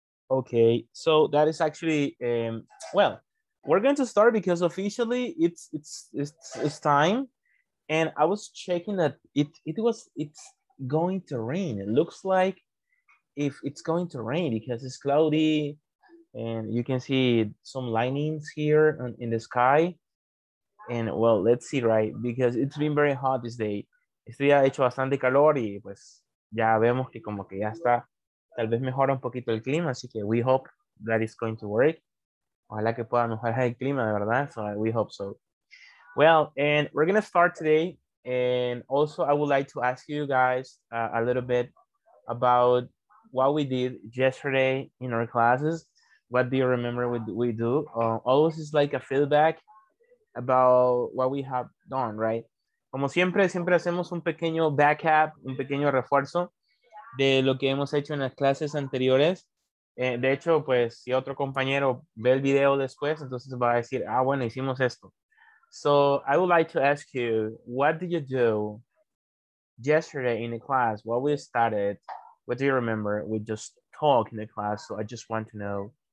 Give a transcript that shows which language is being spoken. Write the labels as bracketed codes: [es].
[en] Okay, so that is actually, well, we're going to start because officially it's time. And I was checking that it's going to rain. It looks like if it's going to rain because it's cloudy and you can see some lightnings here in the sky. And well, let's see, right? Because it's been very hot this day. [es] Este día ha hecho bastante calor y pues ya vemos que como que ya está. Tal vez mejora un poquito el clima, así que [en] we hope that is going to work. [es] Ojalá que pueda mejorar el clima, de verdad. [en] So we hope so. Well, and we're going to start today. And also, I would like to ask you guys a little bit about what we did yesterday in our classes. What do you remember we do? Always is like a feedback about what we have done, right? [es] Como siempre, siempre hacemos un pequeño backup, un pequeño refuerzo de lo que hemos hecho en las clases anteriores. De hecho, pues, si otro compañero ve el video después, entonces va a decir, ah, bueno, hicimos esto. [en] So, I would like to ask you, what did you do yesterday in the class? What we started? What do you remember? We just talk in the class, so I just want to know.